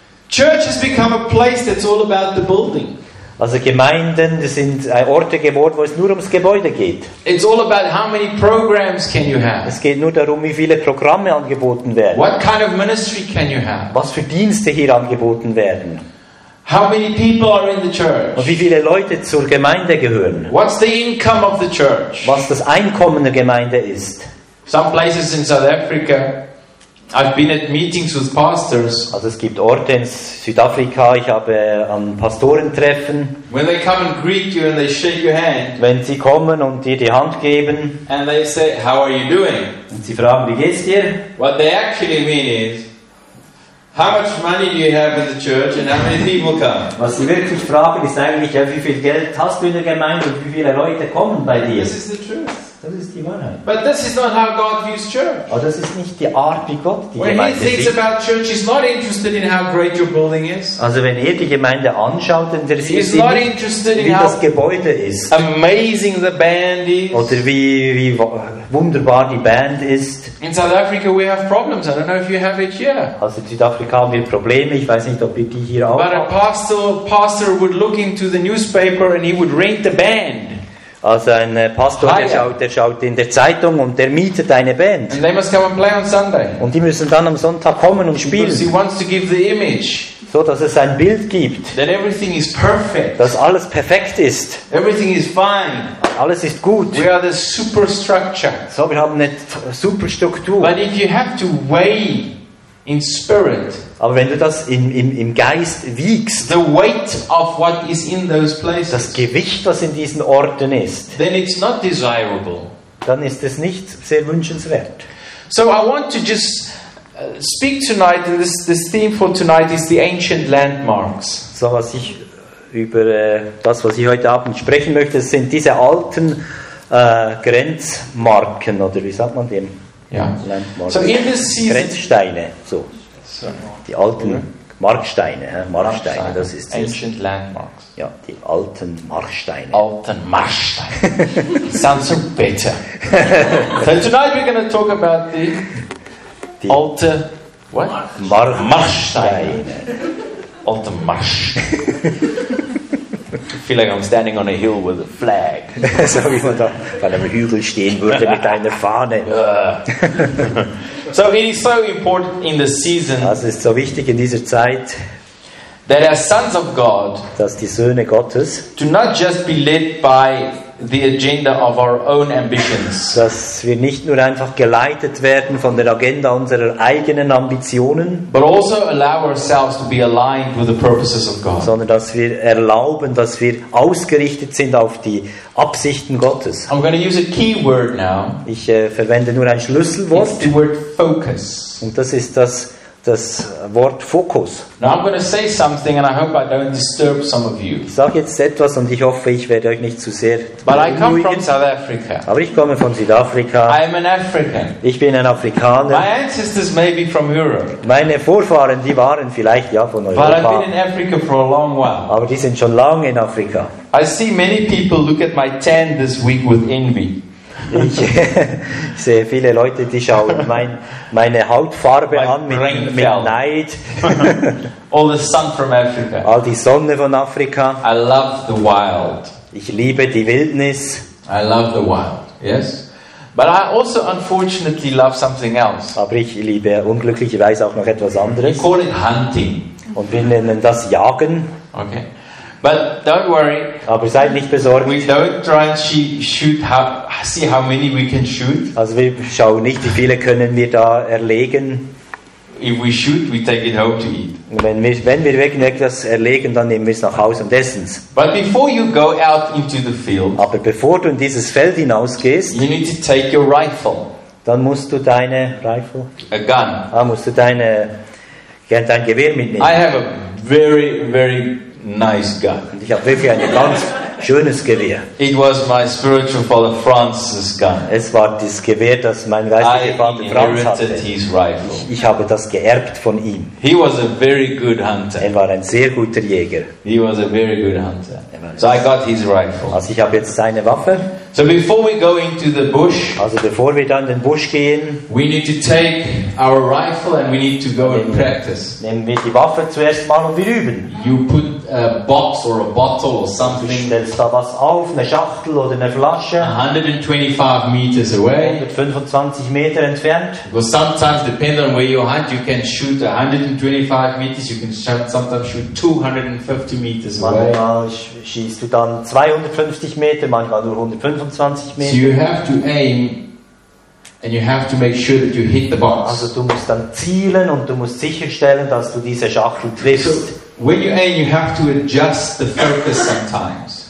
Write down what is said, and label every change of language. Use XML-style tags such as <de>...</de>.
<en>Church has become a place that's all about the building.</en> <de>Also Gemeinden sind Orte geworden, wo es nur ums Gebäude geht.</de> <en>It's all about how many programs can you have.</en> <de>Es geht nur darum, wie viele Programme angeboten werden.</de> <en>What kind of ministry can you have?</en> <de>Was für Dienste hier angeboten werden.</de> <en>How many people are in the church?</en> <de>Und wie viele Leute zur Gemeinde gehören.</de> <en>What's the income of the church?</en> <de>Was das Einkommen der Gemeinde ist.</de> <en>Some places in South Africa, I've been at meetings with pastors.</en> <de>Also es gibt Orte in Südafrika, ich habe an Pastorentreffen.</de> <en>When they come and greet you and they shake your hand.</en> <de>Wenn sie kommen und dir die Hand geben.</de> <en>And they say, how are you doing?</en> <de>Und sie fragen, wie geht's dir?</de> <en>What they actually mean is, how much money do you have in the church and how many people come?</en> <de>Was sie wirklich fragen ist eigentlich, ja, wie viel Geld hast du in der Gemeinde und wie viele Leute kommen bei dir?</de> <en>This is the truth.</en> <de>Das ist die Wahrheit.</de> <en>But this is not how God views church.</en> <de>Aber das ist nicht die Art, wie Gott die</de> <en>When</en> <de>Gemeinde</de> <en>he thinks</en> <de>sieht.</de> <en>About church, he's not interested in how great your building is.</en> <de>Also wenn er die Gemeinde anschaut, interessiert sie</de> <en>not</en> <de>nicht, wie das Gebäude ist.</de> <en>Amazing the band is.</en> <de>Oder wie wunderbar die Band ist.</de> <en>In South Africa we have problems. I don't know if you have it here.</en> <de>Also in Südafrika haben wir Probleme. Ich weiß nicht, ob ihr die hier auch</de> <en>But</en> <de>habt.</de> <en>A pastor would look into the newspaper and he would rent the band.</en> <de>Also ein Pastor, der schaut in der Zeitung und der mietet eine Band.</de> <en>And they must come and play on Sunday.</en> <de>Und die müssen dann am Sonntag kommen und spielen.</de> <en>Because he wants to give the image.</en> <de>So, dass es ein Bild gibt.</de> <en>That everything is perfect.</en> <de>Dass alles perfekt ist.</de> <en>Everything is fine.</en> <de>Alles ist gut.</de> <en>We are the superstructure.</en> <de>So, wir haben eine Superstruktur.</de> <en>But if you have to weigh in spirit,</en> <de>aber wenn du das im Geist wiegst,</de> <en>the weight of what is in those places,</en> <de>das Gewicht, was in diesen Orten ist,</de> <en>then it's not desirable.</en> <de>Dann ist es nicht sehr wünschenswert.</de> <en>So I want to just speak tonight, and this theme for tonight is the ancient landmarks.</en> <de>So was ich über das, was ich heute Abend sprechen möchte, sind diese alten Grenzmarken, oder wie sagt man dem?</de> <en>Ja. So in this season,</en> <de>Grenzsteine, so. Die alten Marksteine, Marksteine, das ist es.</de> <en>Ancient landmarks.</en> <de>Ja, die alten Marksteine. Alten Marksteine.</de> <en>Sounds so bitter. So tonight we're going to talk about the alte what?</en> <de>Marksteine. Alte Marsch.</de> <en>I feel like I'm standing on a hill with a flag.</en> <de>So wie man da bei einem Hügel stehen würde mit einer Fahne.</de> <en>So it is so important in this season.</en> <de>Also es ist so wichtig in dieser Zeit.</de> <en>That as sons of God,</en> <de>dass die Söhne Gottes,</de> <en>do not just be led by the agenda of our own ambitions.</en> <de>Dass wir nicht nur einfach geleitet werden von der Agenda unserer eigenen Ambitionen,</de> <en>but also allow ourselves to be aligned with the purposes of God.</en> <de>Sondern dass wir erlauben, dass wir ausgerichtet sind auf die Absichten Gottes.</de> <en>I'm going to use a key word now.</en> <de>Ich verwende nur ein Schlüsselwort.</de> <en>It's the word focus.</en> <de>Und das ist das Wort Fokus.</de> <en>Now I'm going to say something and I hope I don't disturb some of you.</en> <de>Ich sage jetzt etwas und ich hoffe, ich werde euch nicht zu sehr</de> <en>But I come from South Africa.</en> <de>Aber ich komme von Südafrika.</de> <en>I am an African.</en> <de>Ich bin ein Afrikaner.</de> <en>My ancestors may be from Europe.</en> <de>Meine Vorfahren, die waren vielleicht ja von Europa.</de> <en>But I've been in Africa for a long while.</en> <de>Aber die sind schon lange in Afrika.</de> <en>I see many people look at my tan this week with envy.</en> <de>Ich sehe viele Leute, die schauen meine Hautfarbe an mit Neid.</de> <en>All the sun from Africa.</en> <de>All die Sonne von Afrika.</de> <en>I love the wild.</en> <de>Ich liebe die Wildnis.</de> <en>I love the wild. Yes. But I also unfortunately love something else.</en> <de>Aber ich liebe unglücklicherweise auch noch etwas anderes.</de> <en>We call it hunting.</en> <de>Und wir nennen das Jagen.</de> <en>Okay. But don't worry.</en> <de>Aber seid nicht besorgt.</de> <en>We don't try and see how many we can shoot.</en> <de>Also wir schauen nicht, wie viele können wir da erlegen.</de> <en>If we shoot, we take it home to eat.</en> <de>Wenn wir wirklich das erlegen, dann nehmen wir es nach Hause und essen es.</de> <en>But before you go out into the field,</en> <de>aber bevor du in dieses Feld hinausgehst,</de> <en>you need to take your rifle.</en> <de>Dann musst du deine Rifle.</de> <en>A gun.</en> <de>Musst du dein Gewehr mitnehmen.</de> <en>I have a very, very nice gun.</en> <de>Ich habe wirklich ein ganz schönes Gewehr.</de> <en>It was my spiritual father Francis' gun.</en> <de>Es war das Gewehr, das mein geistlicher Vater Franz hatte.</de> <en>His rifle.</en> <de>Ich habe das geerbt von ihm.</de> <en>He was a very good hunter.</en> <de>Er war ein sehr guter Jäger.</de> <en>He was a very good hunter. So I got his rifle.</en> <de>Also ich habe jetzt seine Waffe.</de> <en>So before we go into the bush,</en> <de>also bevor wir dann den Busch gehen,</de> <en>we need to take our rifle and we need to go and practice.</en> <de>Nehmen wir die Waffe zuerst mal und wir üben.</de> <en>You put a box or a bottle or something.</en> <de>Du stellst da was auf, eine Schachtel oder eine Flasche.</de> <en>125 meters away.</en> <de>125 Meter entfernt.</de> <en>Well, sometimes depending on where you hunt, you can shoot 125 meters. You can sometimes shoot 250 meters away.</en> <de>Manchmal schießt du dann 250 Meter, manchmal nur 125.</de> <en>So you have to aim and you have to make sure that you hit the box.</en> <de>Also du musst dann zielen und du musst sicherstellen, dass du diese Schachtel triffst.</de> <en>So when you aim, you have to adjust the focus sometimes.</en>